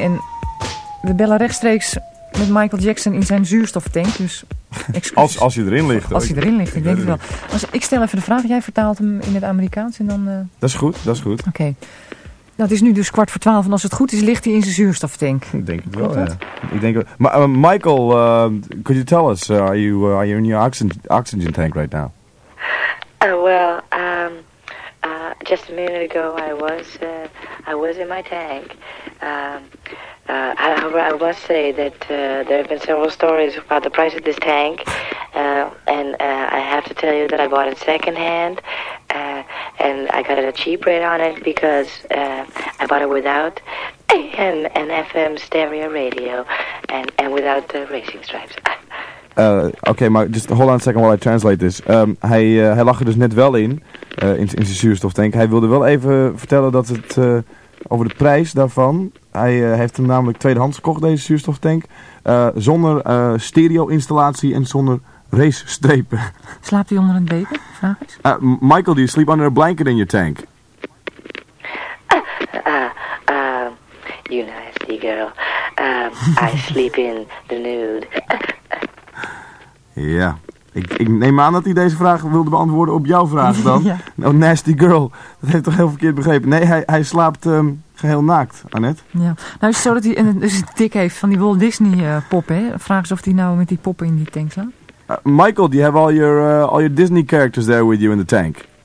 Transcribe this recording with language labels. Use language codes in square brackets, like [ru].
[nl] En we bellen rechtstreeks met Michael Jackson in zijn zuurstoftank. Dus als je erin ligt. Als je erin ligt, ik denk het wel. Ik stel even de vraag. Jij vertaalt hem in het Amerikaans en dan... Dat is goed. Oké. Okay. Nou, het is nu dus 11:15 en als het goed is, ligt hij in zijn zuurstoftank. Ik denk het wel. [en] Maar Michael, could you tell us, are you in your oxygen tank right now? Just a minute ago I was in my tank. I must say that there have been several stories about the price of this tank. I have to tell you that I bought it second hand. And I got it a cheap rate on it because I bought it without an FM stereo radio and without the racing stripes. Okay, maar just hold on a second while I translate this. [nl] Hij lag er dus net wel in zijn zuurstoftank. Hij wilde wel even vertellen dat het over de prijs daarvan. Hij heeft hem namelijk tweedehands gekocht, deze zuurstoftank. Zonder stereo installatie en zonder race-strepen. Slaapt hij onder een deken? Vraag eens. [en] Michael, do you sleep under a blanket in your tank? You nasty girl. I sleep in the nude. [nl] Ja. Ik neem aan dat hij deze vraag wilde beantwoorden op jouw vraag dan. Ja. [en] Oh, nasty girl. [nl] Dat heeft toch heel verkeerd begrepen. Nee, hij slaapt geheel naakt, Annette. Ja. Nou, is het zo dat hij een tik heeft van die Walt Disney poppen, hè? Vraag eens of hij nou met die poppen in die tank slaapt. [en] Michael, do you have all your Disney characters there with you in the tank?